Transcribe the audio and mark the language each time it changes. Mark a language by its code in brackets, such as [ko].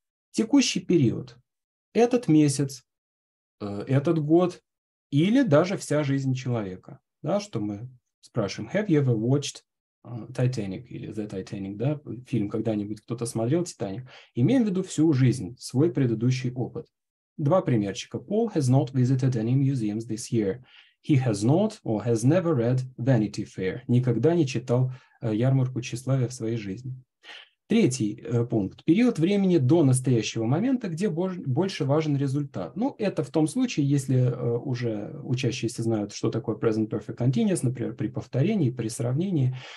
[ru] Текущий период. Этот месяц, этот год или даже вся жизнь человека. Да, что мы спрашиваем, [en] have you ever watched Titanic [ru] или The Titanic, да, фильм когда-нибудь кто-то смотрел, Титаник. Имеем в виду всю жизнь, свой предыдущий опыт. Два примерчика. [en] Paul has not visited any museums this year. He has not or has never read Vanity Fair. [ru] Никогда не читал ярмарку тщеславия в своей жизни. Третий пункт. Период времени до настоящего момента, где больше важен результат. Ну, это в том случае, если уже учащиеся знают, что такое present perfect continuous, например, при повторении, при сравнении.